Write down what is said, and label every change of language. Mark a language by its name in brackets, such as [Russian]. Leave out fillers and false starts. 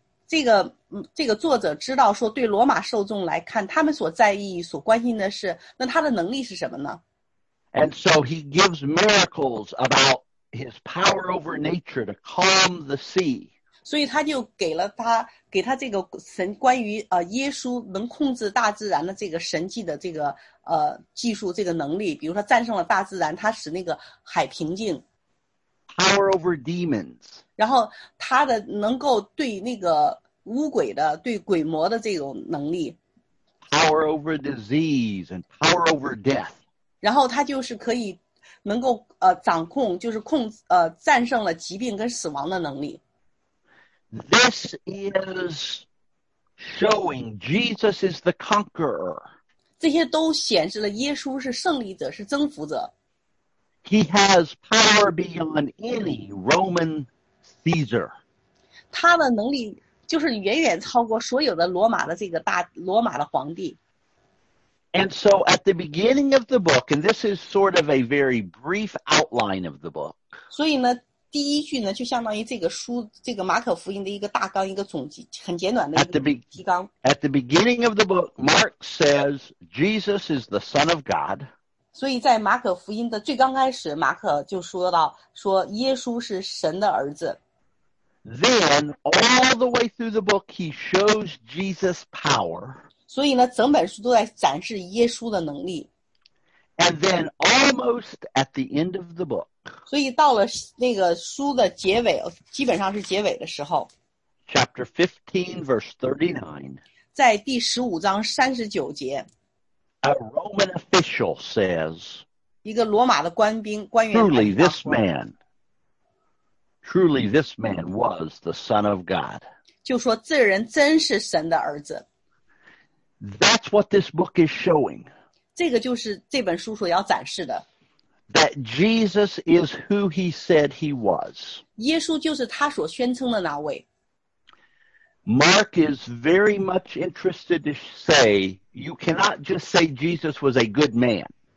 [Chinese] 这个作者知道说，对罗马受众来看，他们所在意、所关心的是，那他的能力是什么呢？ [English] And so he gives miracles about his power over nature to calm the sea. [Chinese] 所以他就给他这个神关于耶稣能控制大自然的这个神迹的这个技术这个能力，比如说战胜了大自然，他使那个海平静。 [English] Power over demons。 [Chinese] 然后他的能够对那个巫鬼的、对鬼魔的这种能力。 [English] Power over disease and power over death。 [Chinese] 然后他就是可以能够掌控，就是控战胜了疾病跟死亡的能力。 [English] This is showing Jesus is the conqueror. [Chinese] 这些都显示了耶稣是胜利者，是征服者。 [English] He has power beyond any Roman Caesar. [Chinese] 他的能力就是远远超过所有的罗马的这个大罗马的皇帝。 [English] And so at the beginning of the book, and this is sort of a very brief outline of the book. [Chinese] 所以呢，第一句呢，就相当于这个书，这个马可福音的一个大纲，一个总集，很简短的一个提纲。 [English] At the beginning of the book, Mark says Jesus is the Son of God. [Chinese] 所以在马可福音的最刚开始，马可就说到，说耶稣是神的儿子。 [English] Then all the way through the book, he shows Jesus' power. [Chinese] 所以呢，整本书都在展示耶稣的能力。 [English] And then almost at the end of the book. [Chinese] 所以到了那个书的结尾，基本上是结尾的时候。 [English] Chapter 15, verse 39. [Chinese] 在第十五章三十九节。 [English] A Roman official says. [Chinese] 一个罗马的官兵官员。 [English] Truly, this man. Truly, this man was the Son of God. [Chinese] 就说这人真是神的儿子。 [English] That's what this book is showing. [Chinese] 这个就是这本书所要展示的。 [English] That Jesus is who he said he was. [Chinese] 耶稣就是他所宣称的那位。 [English] Mark is very much interested to say, you cannot just say Jesus was a good man.